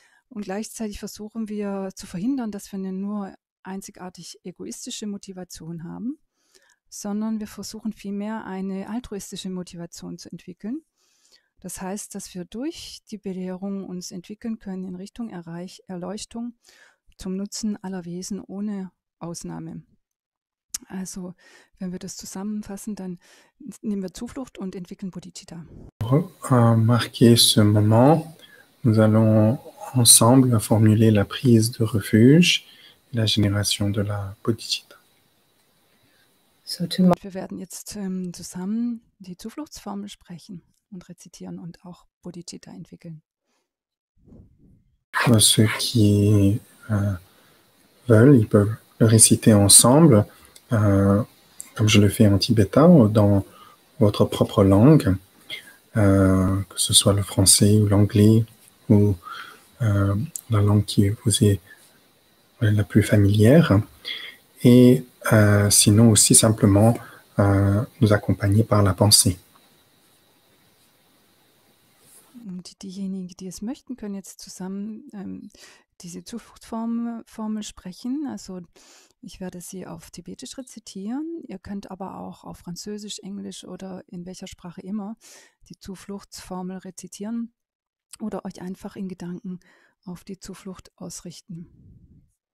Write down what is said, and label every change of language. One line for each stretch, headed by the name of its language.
German: Und gleichzeitig versuchen wir zu verhindern, dass wir eine nur einzigartig egoistische Motivation haben, sondern wir versuchen vielmehr eine altruistische Motivation zu entwickeln. Das heißt, dass wir durch die Belehrung uns entwickeln können in Richtung Erleuchtung zum Nutzen aller Wesen ohne Ausnahme. Also, wenn wir das zusammenfassen, dann nehmen wir Zuflucht und entwickeln Bodhicitta.
French: Marquer ce moment, nous allons ensemble formuler la prise de refuge et la génération de la bodhicitta.
German: Wir werden jetzt zusammen die Zufluchtsformel sprechen und rezitieren und auch Bodhicitta entwickeln.
French: Ceux qui veulent, ils peuvent le réciter ensemble, comme je le fais en tibétain, dans votre propre langue, que ce soit le français ou l'anglais ou la langue qui vous est la plus familière. Et sinon aussi simplement nous accompagner par la pensée.
German: Diejenigen, die es möchten, können jetzt zusammen diese Zufluchtsformel sprechen. Also ich werde sie auf Tibetisch rezitieren. Ihr könnt aber auch auf Französisch, Englisch oder in welcher Sprache immer die Zufluchtsformel rezitieren oder euch einfach in Gedanken auf die Zuflucht ausrichten.